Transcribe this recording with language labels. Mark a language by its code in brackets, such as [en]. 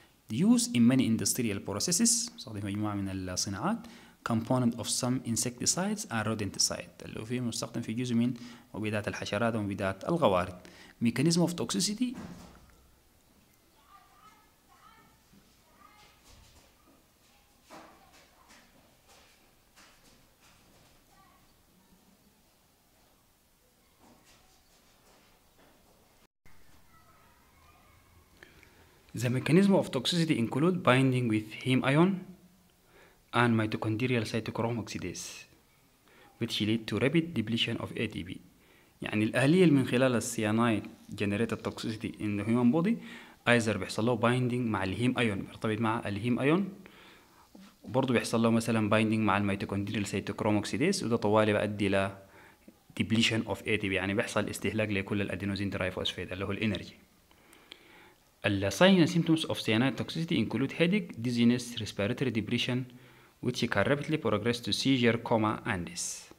[en] The use in many industrial processes [ar] صديق مجموعة من الصناعات [en] component of some insecticides and rodenticides [ar] اللي فيه مستخدم في جزء من مبيدات الحشرات ومبيدات الغوارد. [en] Mechanism of toxicity the mechanism of toxicity include binding with heme ion and mitochondrial cytochrome oxidase which lead to rapid depletion of ATP. [ar] يعني الآلية من خلال السيانايد [en] generated toxicity in the human body either [ar] بيحصل له binding مع الheme ion مرتبط مع الheme ion برضو بيحصل له مثلا binding مع [en] mitochondrial cytochrome oxidase [ar] وده طوالي بأدي ل [en] depletion of ATP [ar] يعني بيحصل استهلاك لكل الأدينوزين [en] derived phosphate [ar] اللي هو الانرجي. [en] The signs and symptoms of cyanide toxicity include headache, dizziness, respiratory depression, which can rapidly progress to seizure, coma, and death.